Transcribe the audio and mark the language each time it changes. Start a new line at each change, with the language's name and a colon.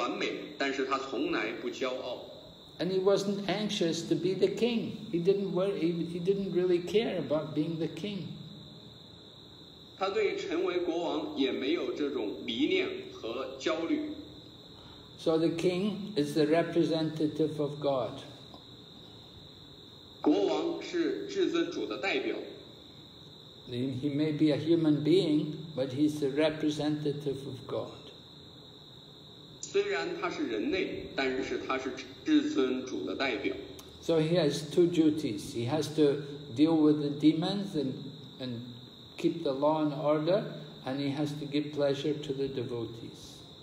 Chinese: 虽然他非常完美，但是他从来不骄傲。
English: And he wasn't anxious to be the king. He didn't worry, he didn't really care about being the king.
Chinese: 他对成为国王也没有这种迷恋和焦虑。
English: So the king is the representative of God.
Chinese: 国王是至尊主的代表。
English: He may be a human being, but he's the representative of God.
Chinese: 虽然他是人类，但是他是至尊主的代表。
English: So he has two duties. He has to deal with the demons and keep the law and order, and he has to give pleasure to the devotees.